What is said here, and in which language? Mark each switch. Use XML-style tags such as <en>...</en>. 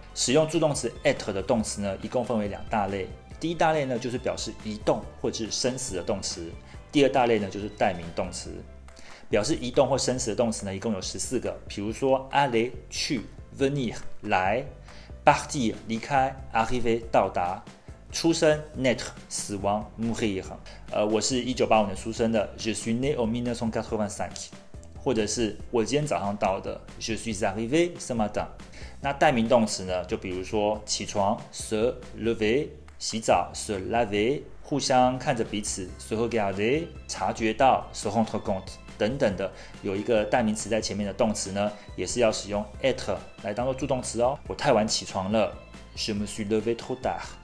<zh>使用助动词 être 的动词呢，一共分为两大类。第一大类呢，就是表示移动或是生死的动词；第二大类呢，就是代名动词。表示移动或生死的动词呢，一共有14个。比如说 aller 去 ，venir 来 ，partir 离开 ，arriver 到达。出生 naître 死亡 mourir。我是1985年出生的 ，</zh> <fr>je suis né en 1985。</fr> <zh>或者是我今天早上到的 ，</zh> <fr>Je suis arrivé ce matin。</fr> <zh>那代名动词呢？就比如说起床 ，se lever， 洗澡 ，se laver， 互相看着彼此 ，se regarder， 察觉到 ，se rendre compte 等等的，有一个代名词在前面的动词呢，也是要使用 être 来当做助动词哦。我太晚起床了 ，</zh> <fr>Je me suis levé trop tard。</fr>